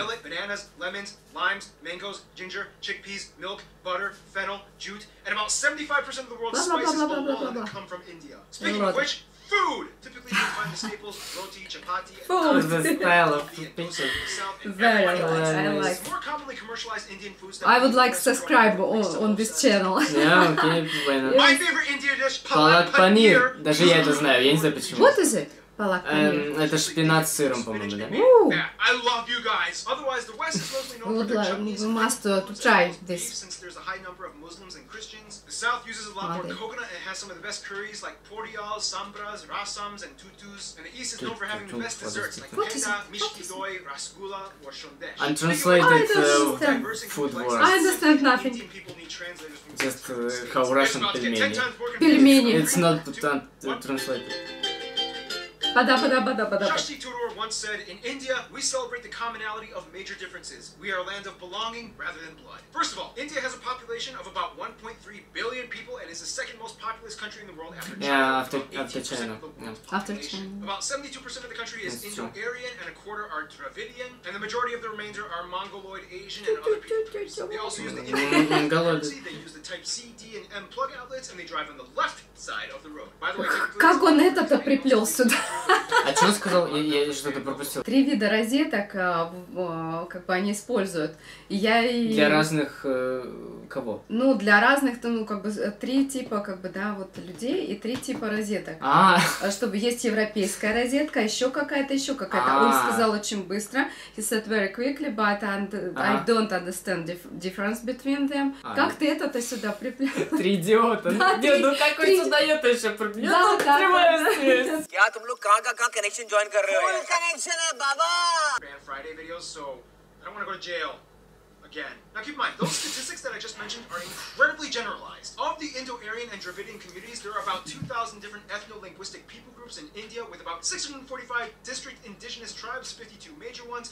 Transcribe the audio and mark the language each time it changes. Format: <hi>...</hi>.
<en>Millet, bananas, lemons, limes, mangoes, ginger, chickpeas, milk, butter, fennel, jute, and about 75% of the world's spices come from India. Speaking of which, food! Typically you find the staples, roti, chapati, food. And the style of pizza. Very nice. I like. More commonly commercialized Indian foods I would like subscribe on this channel. Yeah, okay, why not? My favorite Indian dish, palak paneer.</en> <ru>Даже я это знаю, я не знаю почему.</ru> <en>What is it? Палак</en> <ru>паниер. Это шпинат с сыром, по-моему, да?</ru> <en>I love you guys. Otherwise, the West is mostly known for their Chinese. We must try this. Since there's a high number of Muslims and Christians, the South uses a lot more coconut and has some of the best curries like poryals, sambras, rasams, and tutus. And the East is known for having the best desserts like kenda, mishki doi, rasgulla, or shondesh. And translated food words. I understand nothing. Just how Russian pelmeni. Pelmeni. It's not translated. Shashi Tudor once said, "In India, we celebrate the commonality of major differences. We are a land of belonging rather than blood." First of all, India has a population of about 1.3 billion people and is the second most populous country in the world after China. Yeah, after China. Yeah. After China. About 72% of the country is Indo-Aryan and a quarter are Dravidian, and the majority of the remainder are Mongoloid, Asian, and other peoples. They also use the Indian currency. They use the Type C, D, and M plug outlets, and they drive on the left side of the road. By the way,</en> <ru>как он это-то приплел сюда? А что он сказал? Я что-то пропустил. Три вида розеток, как бы они используют. Я и... Для разных кого? Ну, для разных, ну, как бы, три типа, как бы, да, вот, людей и три типа розеток. Чтобы есть европейская розетка, еще какая-то. Он сказал очень быстро.</ru> <en>He said very quickly, but I don't understand the difference between them.</en> <ru>Как ты это-то сюда приплел? Три идиота. Не, ну, как он сюда это еще приплел? Да, да.</ru> <en>Connection join Friday videos, so I don't want to go to jail again. Now keep in mind, those statistics that I just mentioned are incredibly generalized. Of the Indo-Aryan and Dravidian communities, there are about 2,000 different ethno-linguistic people groups in India, with about 645 district indigenous tribes, 52 major ones.</en>